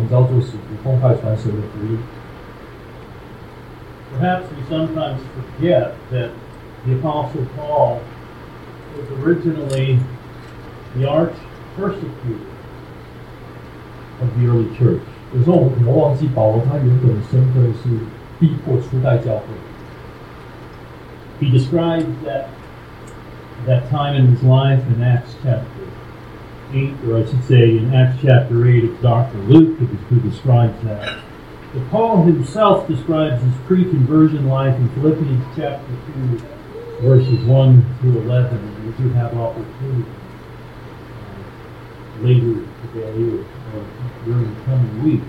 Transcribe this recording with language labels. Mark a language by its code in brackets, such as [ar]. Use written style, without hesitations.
[zh] 我们一起看第一节，耶稣基督的仆人保罗，蒙召做使徒，奉派传神的福音。 [en] Perhaps we sometimes forget that the Apostle Paul was originally the arch persecutor of the early church. [zh] 有时候我们可能忘记保罗他原本的身份是逼迫初代教会。 [en] He describes that time in his life in Acts chapter 8, or I should say in Acts chapter 8, it's Dr. Luke who describes that. But Paul himself describes his pre-conversion life in Philippians chapter 2, verses 1 through 11, and we do have opportunity later today or during the coming week.